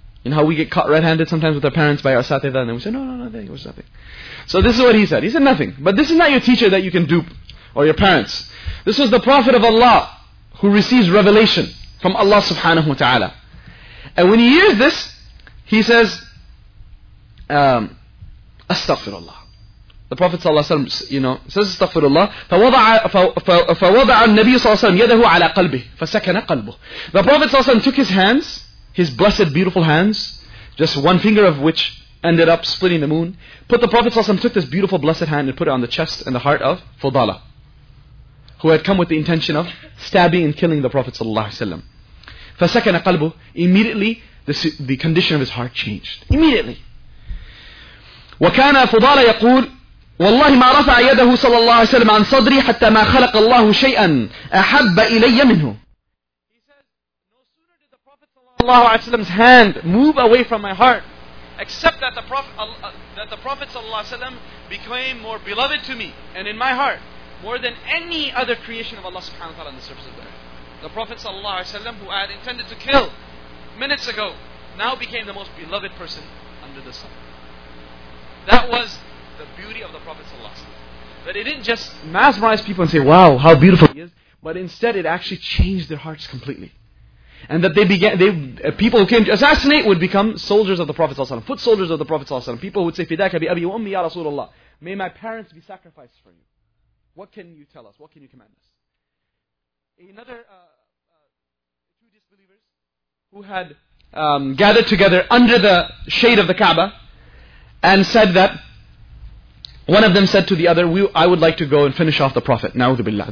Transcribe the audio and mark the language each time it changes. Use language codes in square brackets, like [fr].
[en] You know how we get caught red-handed sometimes with our parents by our satayda, and then we say, no, nothing. It was nothing. So this is what he said. He said, nothing. But this is not your teacher that you can dupe, or your parents. This was the Prophet of Allah, who receives revelation from Allah subhanahu wa ta'ala. And when he hears this, he says, Astaghfirullah. The Prophet sallallahu alaihi wasallam, says astaghfirullah, [ar] فَوَضَعَ النَّبِيُّ صَلَّى اللَّهُ عَلَيْهِ وَسَلَّمَ يَدَهُ عَلَى قَلْبِهِ فَسَكَنَ قَلْبُهُ. [en] The Prophet sallallahu alaihi wasallam took his hands, his blessed beautiful hands, just one finger of which ended up splitting the moon, put the Prophet sallallahu alaihi wasallam took this beautiful blessed hand and put it on the chest and the heart of Fudala, who had come with the intention of stabbing and killing the Prophet sallallahu alaihi wasallam. [ar] فَسَكَنَ قَلْبُهُ. [en] Immediately the condition of his heart changed. Immediately. [ar] وَكَانَ فُضَالَ يَقُولُ والله ما رفع يده صلى الله عليه وسلم عن صدري حتى ما خلق الله شيئا أحب إلي منه. [en] He says, no sooner did the Prophet صلى الله عليه وسلم's hand move away from my heart, except that the Prophet صلى الله عليه وسلم became more beloved to me and in my heart more than any other creation of Allah سبحانه وتعالى on the surface of the earth. The Prophet صلى الله عليه وسلم, who I had intended to kill minutes ago, now became the most beloved person under the sun. That was the beauty of the Prophet ﷺ. That it didn't just mesmerize people and say, wow, how beautiful he is. But instead it actually changed their hearts completely. And that people who came to assassinate would become soldiers of the Prophet ﷺ, foot soldiers of the Prophet ﷺ. People who would say, [ar] فِدَاكَ بِأَبِي وَأُمِّي يَا رَسُولَ اللَّهِ. [en] May my parents be sacrificed for you. What can you tell us? What can you command us? Another two disbelievers who had gathered together under the shade of the Kaaba and said that, One of them said to the other, I would like to go and finish off the Prophet. Na'udhu billah.